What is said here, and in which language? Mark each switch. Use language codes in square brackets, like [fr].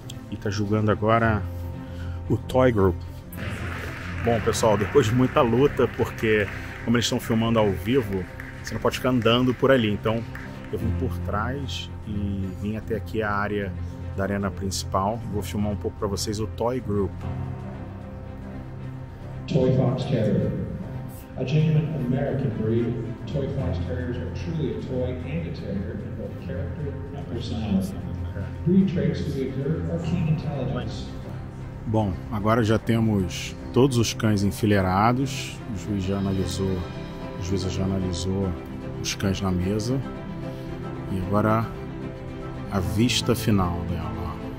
[pt] e tá jogando agora o Toy Group. Bom, pessoal, depois de muita luta, porque como eles estão filmando ao vivo, você não pode ficar andando por ali. Então, eu vim por trás e vim até aqui a área da arena principal. Vou filmar um pouco para vocês o Toy Group. Toy Fox Terrier. [en] A genuine American breed, Toy Fox Terriers are truly a toy and a terrier in both character and personality. Breed traits to be observed are keen intelligence. [pt] Bom, agora já temos todos os cães enfileirados. A juíza já analisou os cães na mesa. E agora a vista final dela.